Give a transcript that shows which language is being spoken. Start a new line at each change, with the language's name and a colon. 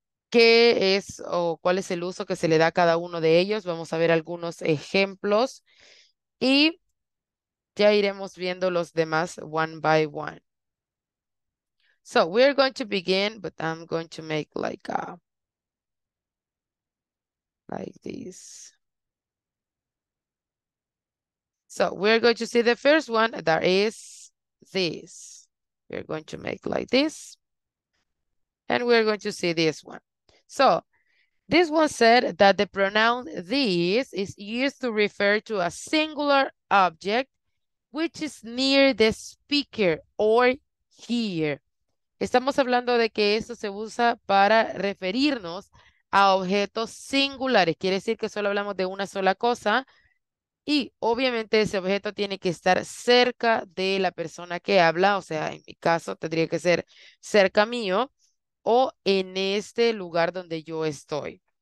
Spanish: ¿Qué es o cuál es el uso que se le da a cada uno de ellos? Vamos a ver algunos ejemplos. Y ya iremos viendo los demás
English: one by one. So, we are going to begin, but I'm going to make like a... like this. So we're going to see the first one that is this. We're going to make like this. And we're going to see this one. So this one said that the pronoun this is used to refer to a singular object which is near the speaker or here.
Spanish: Estamos hablando de que esto se usa para referirnos a objetos singulares. Quiere decir que solo hablamos de una sola cosa. Y obviamente ese objeto tiene que estar cerca de la persona que habla, o sea, en mi caso tendría que ser cerca mío o en este lugar donde yo estoy.